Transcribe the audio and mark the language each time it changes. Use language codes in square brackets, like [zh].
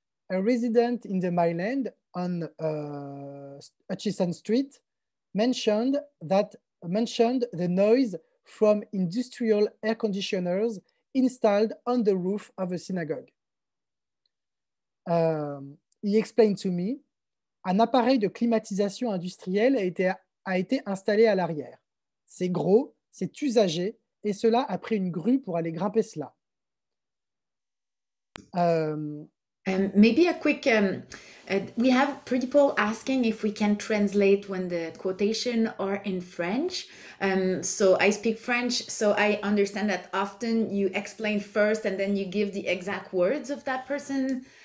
[en] A resident in the mainland on Hutchison Street mentioned the noise from industrial air conditioners installed on the roof of a synagogue. He explained to me, [fr] un appareil de climatisation industrielle a été installé à l'arrière. C'est gros, c'est usagé, et cela a pris une grue pour aller grimper cela. [en] Maybe a quick, we have people asking if we can translate when the quotation are in French. So I speak French, so I understand that often you explain first and then you give the exact words of that person.